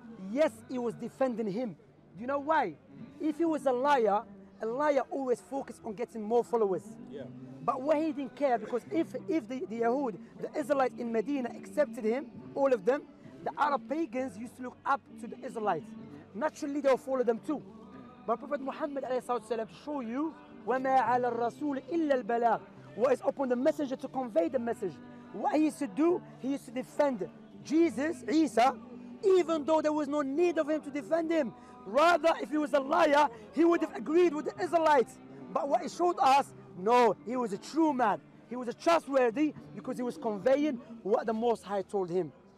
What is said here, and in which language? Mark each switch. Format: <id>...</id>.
<en>Yes, he was defending him. Do you know why? If he was a liar always focused on getting more followers. Yeah. But what he didn't care, because if the Yahud, the Israelites in Medina accepted him, all of them, the Arab pagans used to look up to the Israelites. Naturally, they'll follow them too. But Prophet Muhammad ﷺ show you,</en> <ar>وَمَا عَلَى الرَّسُولِ إِلَّا الْبَلَاغِ.</ar> <en>What is upon the messenger to convey the message. What he used to do, he used to defend Jesus, Isa, even though there was no need of him to defend him. Rather, if he was a liar, he would have agreed with the Israelites. But what he showed us, no, he was a true man. He was a trustworthy because he was conveying what the Most High told him.</en>